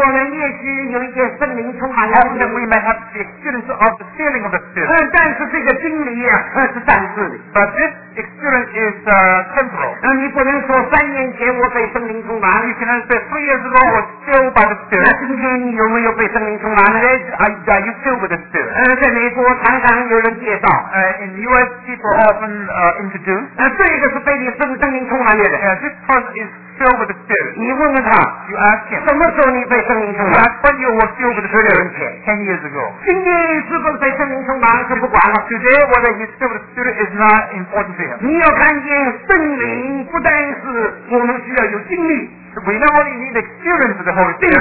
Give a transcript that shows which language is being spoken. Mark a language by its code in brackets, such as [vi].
[zh] 我们也许有一些圣灵充满 [en] Often we may have the experience of the feeling of the Spirit. [zh] 但是这个经历是暂时的 [en] But this experience is temporal. [zh] 你不能说三年前我被圣灵充满 [en] You cannot say 3 years ago I was filled by the Spirit. [zh] 那今天你有没有被圣灵充满 [en] Are you filled with the Spirit? [zh] 美国常常有人介绍 [en] in the US people often introduce [zh] 这个是被你圣灵充满的 [en] this person is filled with the spirit [zh] 你问问他 [en] you ask him [zh] 什么时候你被圣灵充满 [en] that's when you were filled with the spirit 10 years ago [zh] 今天你是否被圣灵充满是不管了 [en] today whether he's filled with the spirit is not important to him [zh] 你要看见圣灵不但是我们需要有经历 [en] We not only need experience of the Holy Spirit.